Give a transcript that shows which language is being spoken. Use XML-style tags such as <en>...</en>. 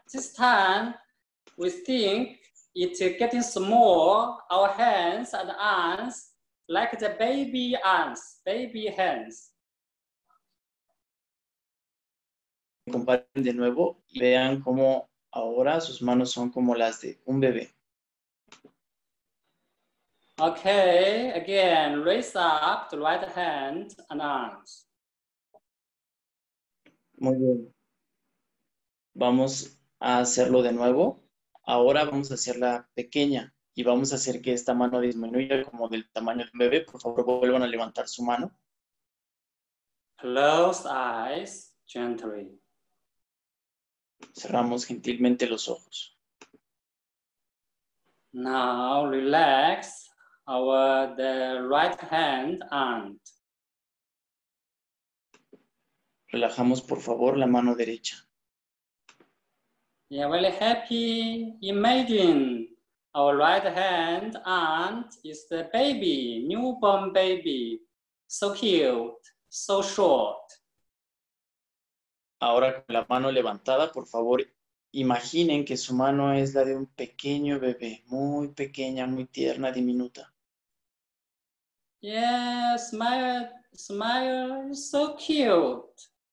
<en>This time we think it's getting small, our hands and arms, like the baby arms, baby hands.</en> <es>Comparen de nuevo y vean cómo ahora sus manos son como las de un bebé.</es> <en>Okay, again, raise up the right hand and arms.</en> <es>Muy bien. Vamos a hacerlo de nuevo. Ahora vamos a hacerla pequeña y vamos a hacer que esta mano disminuya como del tamaño de un bebé. Por favor, vuelvan a levantar su mano.</es> <en>Close eyes gently.</en> <es>Cerramos gentilmente los ojos.</es> <en>Now relax our the right hand and.</en> <es>Relajamos, por favor, la mano derecha.</es> <en>Yeah, very happy. Imagine our right hand aunt is the baby, newborn baby. So cute, so short.</en> <es>Ahora con la mano levantada, por favor, imaginen que su mano es la de un pequeño bebé, muy pequeña, muy tierna, diminuta.</es> <en>Yeah, smile, so cute.</en>